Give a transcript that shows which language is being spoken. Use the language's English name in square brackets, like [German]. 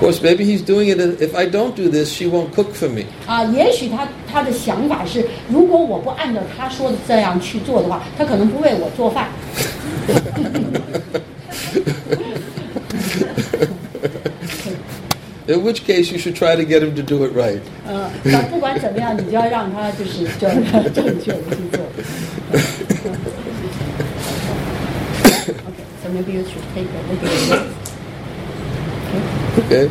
[English] Of course, maybe he's doing it if I don't do this, she won't cook for me [Chinese] 也许他的想法是，如果我不按照他说的这样去做的话，他可能不为我做饭。 [English] In which case, you should try to get him to do it right. [Chinese] 但不管怎么样，你就要让他就是叫他正确的去做。 [English] Okay, so maybe you should take a look at this.